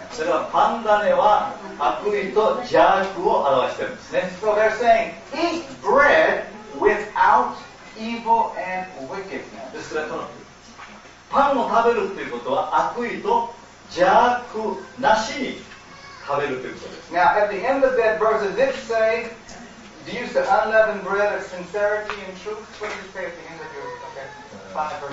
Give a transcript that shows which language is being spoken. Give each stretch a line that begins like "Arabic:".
Japanese: それは、パンダネは悪意と邪悪を表しているんですね。
English: So they're saying, eat bread without evil and wickedness.
Japanese: ですから、このパンを食べるということは悪意と邪悪なしに食べるということです。
English: Now, at the end of that verse, does it say, do you use the unleavened bread of sincerity and truth? What do you say at the end of your